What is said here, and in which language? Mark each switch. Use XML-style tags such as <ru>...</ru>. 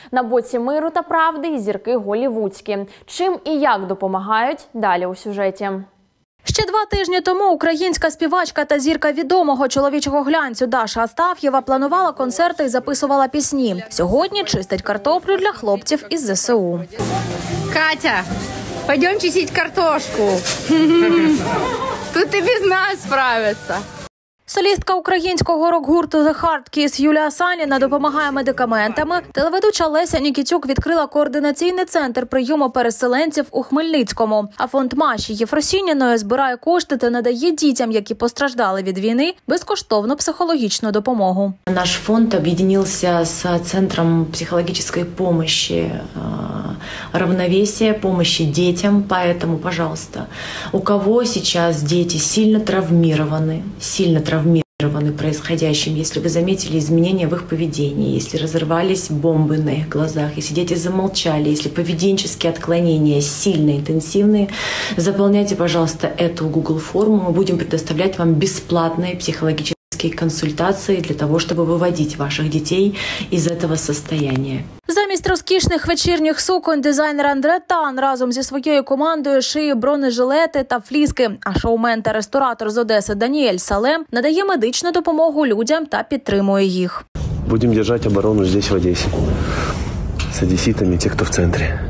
<uk>На боці миру та правди – зірки голівудські. Чим і як допомагають – далі у сюжеті. Ще 2 тижні тому українська співачка та зірка відомого чоловічого глянцю Даша Астаф'єва планувала концерти і записувала пісні. Сьогодні чистить картоплю для хлопців із ЗСУ.</uk> <ru>Катя, пойдем чистить картошку. Тут і без нас справиться.</ru> <uk>Солістка українського рок-гурту The Hard Kiss Юлія Саніна допомагає медикаментами. Телеведуча Леся Нікітюк відкрила координаційний центр прийому переселенців у Хмельницькому. А фонд Маші Єфросініної збирає кошти та надає дітям, які постраждали від війни, безкоштовну психологічну допомогу. Наш фонд об'єднався з центром психологічної допомоги «Равновесія», допомоги дітям. Тому, будь ласка, у кого зараз діти сильно травмовані,</uk> <ru>травмированы происходящим, если вы заметили изменения в их поведении, если разорвались бомбы на их глазах, если дети замолчали, если поведенческие отклонения сильно интенсивные, заполняйте, пожалуйста, эту Google форму, мы будем предоставлять вам бесплатные психологические консультации для того, чтобы выводить ваших детей из этого состояния.</ru> <uk>Замість розкішних вечірніх суконь дизайнер Андре Тан разом зі своєю командою шиє бронежилети та фліски. А шоумен та ресторатор з Одеси Даніель Салем надає медичну допомогу людям та підтримує їх. Будемо тримати оборону тут, в Одесі. З одеситами, ті, хто в центрі.</uk>